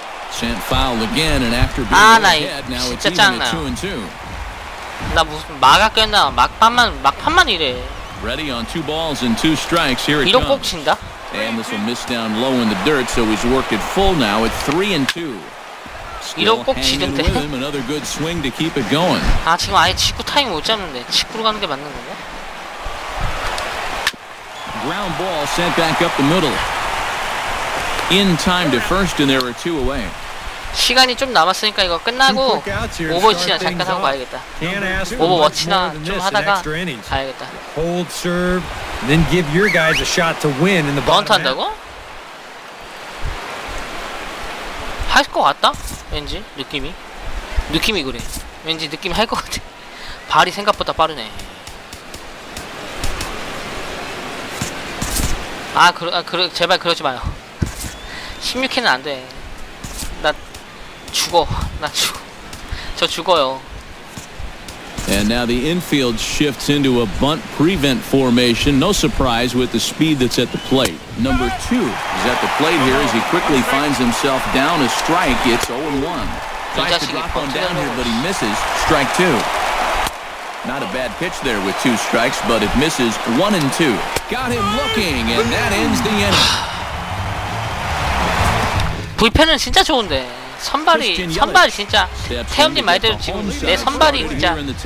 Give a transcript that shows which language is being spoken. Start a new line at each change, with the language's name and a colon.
English: Sent foul again, and after being ahead, now it's even at 2-2.
Korean: 나 무슨 막았겠나? 막판만 이래.
English: Ready on two balls and two strikes. Here it comes.
Korean: 이런 꼭 친다?
English: And this will miss down low in the dirt, so he's worked it full now at 3-2.
Korean: 이런 꼭 치는데?
English: Still hanging with him, another good swing to keep it going.
Korean: 아 지금 아예 직구 타임 못 잡는데 직구로 가는 게 맞는 건가?
English: Ground ball sent back up the middle. In time to first, and there are two away.
Korean: 시간이 좀 남았으니까 이거 끝나고 오버워치나 잠깐 하고 가야겠다. 오버워치나 좀 하다가 가야겠다.
English: Hold serve, then give your guys a shot to win in the bottom.
Korean: 번트 한다고? 할 것 같다. 왠지 느낌이 그래. 왠지 느낌 할 것 같아. 발이 생각보다 빠르네. 제발 그러지 마요. 16회는 안 돼. 나 죽어. 저 죽어요.
English: And now the infield shifts into a bunt prevent formation. No surprise with the speed that's at the plate. Number two is at the plate here as he quickly finds himself down a strike. It's 0-1. Tries to drop on down here, but he misses. Strike two. Not a bad pitch there with two strikes, but it misses. 1-2. Got him looking, and that ends the inning.
Korean: 불펜은 진짜 좋은데 선발이 진짜 태형님 말대로 지금 내 선발이 진짜